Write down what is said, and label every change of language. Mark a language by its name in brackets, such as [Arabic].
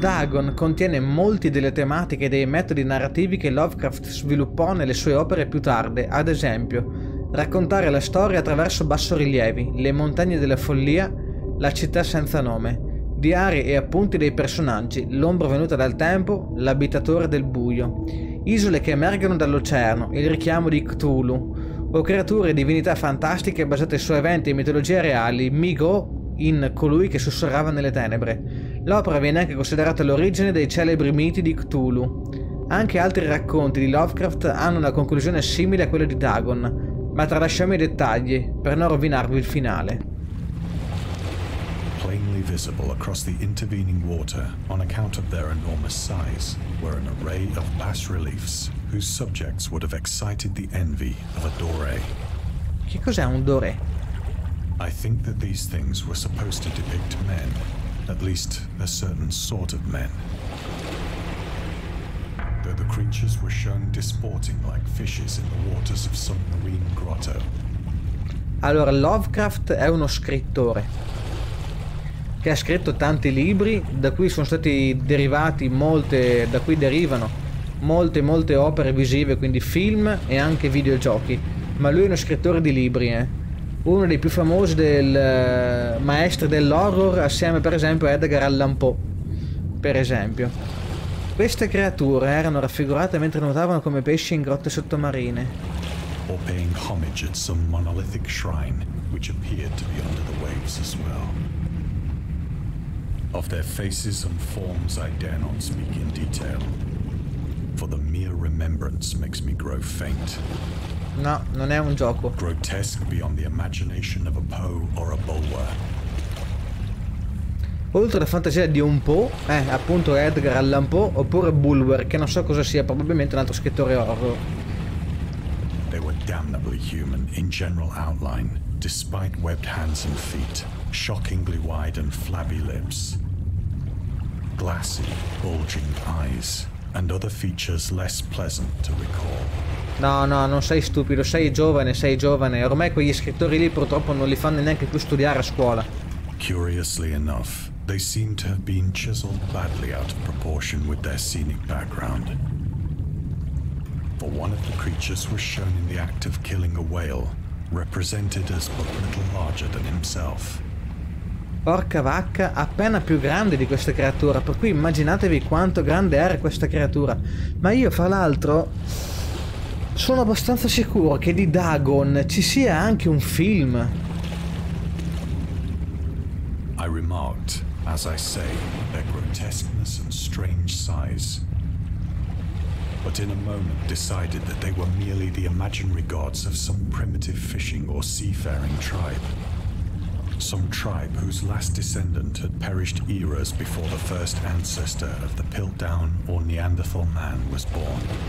[Italian] Dagon contiene molte delle tematiche e dei metodi narrativi che Lovecraft sviluppò nelle sue opere più tarde, ad esempio, raccontare la storia attraverso bassorilievi, le montagne della follia, la città senza nome, diari e appunti dei personaggi, l'ombra venuta dal tempo, l'abitatore del buio, isole che emergono dall'oceano, il richiamo di Cthulhu, o creature e divinità fantastiche basate su eventi e mitologie reali, Migo in colui che sussurrava nelle tenebre. L'opera viene anche considerata l'origine dei celebri miti di Cthulhu. Anche altri racconti di Lovecraft hanno una conclusione simile a quella di Dagon, ma tralasciamo i dettagli per non rovinarvi il finale. [English] Visible across the intervening water, on account of their enormous size, were an array of bas-reliefs whose subjects would have excited the envy of a doré. [Italian] Che cos'è un doré? [English] I think that these things were supposed to depict men, at least a certain sort of men. Though the creatures were shown disporting like fishes in the waters of some marine grotto. [Italian] Allora, Lovecraft è uno scrittore che ha scritto tanti libri da cui sono stati derivati molte, da cui derivano molte molte opere visive, quindi film e anche videogiochi, ma lui è uno scrittore di libri, eh? Uno dei più famosi del maestri dell'horror, assieme per esempio a Edgar Allan Poe. Per esempio, queste creature erano raffigurate mentre nuotavano come pesci in grotte sottomarine [English] o paying homage at some monolithic shrine which appeared to be under the waves as well. Of their faces and forms I dare not speak in detail, for the mere remembrance makes me grow faint. [Italian] No, non è un gioco. [English] Grotesque beyond the imagination of a Poe or a Bulwer. [Italian] Oltre alla fantasia di un Poe, appunto Edgar Allan Poe, oppure Bulwer, che non so cosa sia, probabilmente un altro scrittore horror. [English] They were damnably human in general outline, despite webbed hands and feet. Shockingly wide and flabby lips, glassy, bulging eyes, and other features less pleasant to recall. [Italian] No, no, non sei stupido, sei giovane, ormai quegli scrittori lì purtroppo non li fanno neanche più studiare a scuola. [English] Curiously enough, they seem to have been chiseled badly out of proportion with their scenic background. For one of the creatures was shown in the act of killing a whale, represented as but little larger than himself. [Italian] Porca vacca, appena più grande di questa creatura, per cui immaginatevi quanto grande era questa creatura. Ma io, fra l'altro, sono abbastanza sicuro che di Dagon ci sia anche un film. [English] I remarked, as I say, their grotesqueness and strange size. But in a moment decided that they were merely the imaginary gods of some primitive fishing or seafaring tribe. Some tribe whose last descendant had perished eras before the first ancestor of the Piltdown or Neanderthal man was born.